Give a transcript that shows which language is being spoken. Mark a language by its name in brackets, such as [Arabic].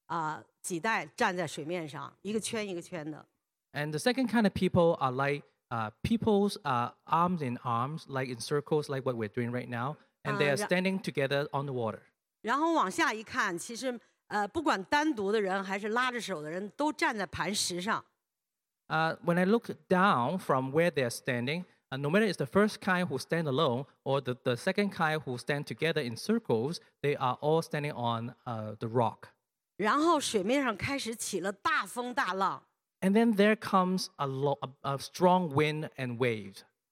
[Chinese] 然后还有一种人是人围着一圈，就好像我们是西安拉的手，几代站在水面上，一个圈一个圈的。 [English] And the second kind of people are like people's arms in arms, like in circles, like what we're doing right now, and they are standing together on the water. [Chinese] 然后往下一看，其实不管单独的人还是拉着手的人，都站在磐石上。 [English] When I look down from where they are standing, no matter it's the first kind who stand alone or the second kind who stand together in circles, they are all standing on the rock. [Chinese] 然后水面上开始起了大风大浪。 [English] And then there comes a strong wind and waves.